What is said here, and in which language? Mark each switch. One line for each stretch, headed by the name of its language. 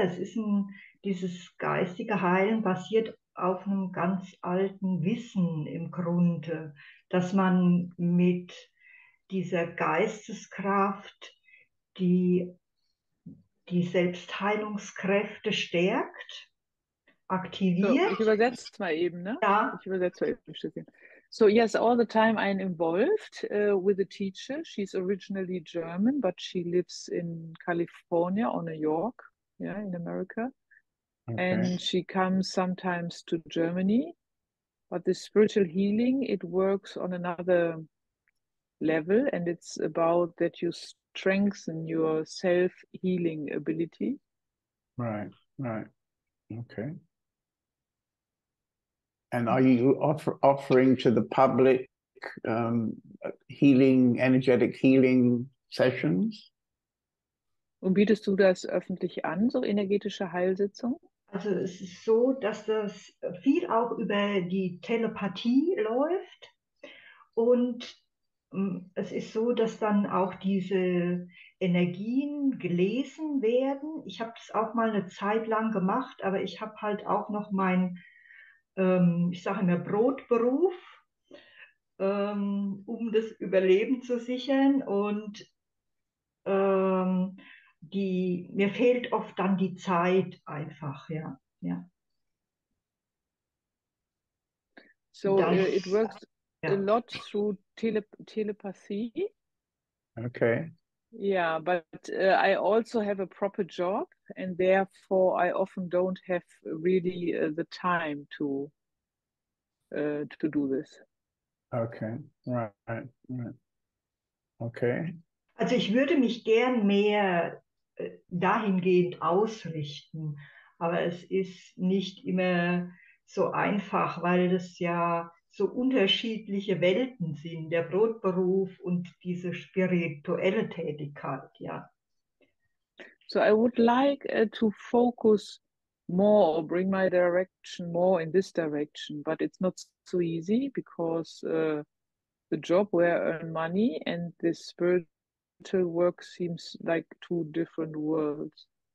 German: Es ist dieses geistige Heilen basiert auf einem ganz alten Wissen im Grunde, dass man mit dieser Geisteskraft die Selbstheilungskräfte stärkt, aktiviert. So, ich übersetze es mal eben, ne? Ja. Ich übersetze mal eben ein Stückchen.
English: So, yes, all the time I'm involved with a teacher. She's originally German, but she lives in California or New York, yeah, in America. Okay. And she comes sometimes to Germany. But the spiritual healing, it works on another level, and it's about that you strengthen your self-healing ability. Right. Okay. And are you offering to the public healing, energetic healing sessions?
German: Und bietest du das öffentlich an, so energetische Heilsitzungen? Also es ist so, dass das viel auch über die Telepathie läuft und Es ist so, dass dann auch diese Energien gelesen werden. Ich habe das auch mal eine Zeit lang gemacht, aber ich habe halt auch noch meinen, ich sage immer, Brotberuf, um das Überleben zu sichern. Und mir fehlt oft dann die Zeit einfach, ja.
English: So, it
German: Das,
English: works a
German: ja.
English: lot through telepathy. Okay. Yeah, but I also have a proper job, and therefore I often don't have really the time to do this. Okay. Right. Okay.
German: Also ich würde mich gern mehr dahingehend ausrichten, aber es ist nicht immer so einfach, weil das ja so unterschiedliche Welten sind, der Brotberuf und diese spirituelle Tätigkeit, ja.
English: So I would like to focus more or bring my direction more in this direction, but it's not so easy because the job where I earn money and the spiritual work seems like two different worlds.